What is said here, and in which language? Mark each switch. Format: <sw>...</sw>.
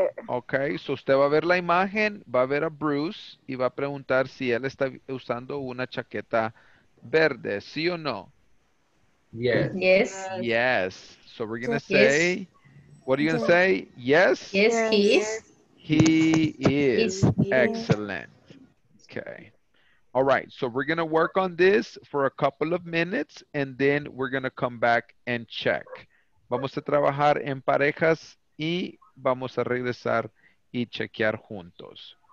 <es>Okay, so usted va a ver la imagen, va a ver a Bruce y va a preguntar si él está usando una chaqueta verde, ¿sí o no?</es> <en>Yes. So we're going to say, what are you going to say? Yes? Yes, he is. He is. Excellent. Okay. All right. So we're going to work on this for a couple of minutes and then we're going to come back and check.</en> <es>Vamos a trabajar en parejas y vamos a regresar y chequear juntos.</es>